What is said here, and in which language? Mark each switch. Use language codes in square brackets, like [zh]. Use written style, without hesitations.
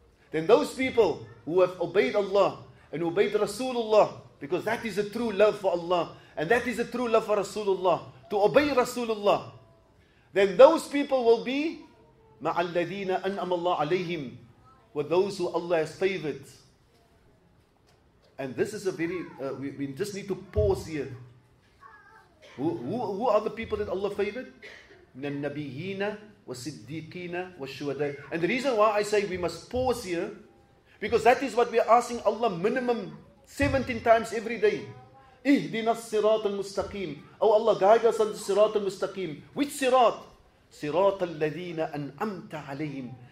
[en] Then those people who have obeyed Allah and obeyed Rasulullah, because that is a true love for Allah and that is a true love for Rasulullah, to obey Rasulullah, then those people will be [ar] مَعَ الَّذِينَ أَنَّمَ اللَّهُ عَلَيْهِمْ, [en] with those who Allah has favored. And this is a very, we just need to pause here. Who are the people that Allah favored? [ar] من النبيين والصديقين والشهداء. [en] And the reason why I say we must pause here, because that is what we are asking Allah minimum 17 times every day. [ar] اهدنا الصراط المستقيم. [en] Oh Allah, guide us on the صراط المستقيم. Which [ar] صراط? صراط الذين أنعمت عليهم.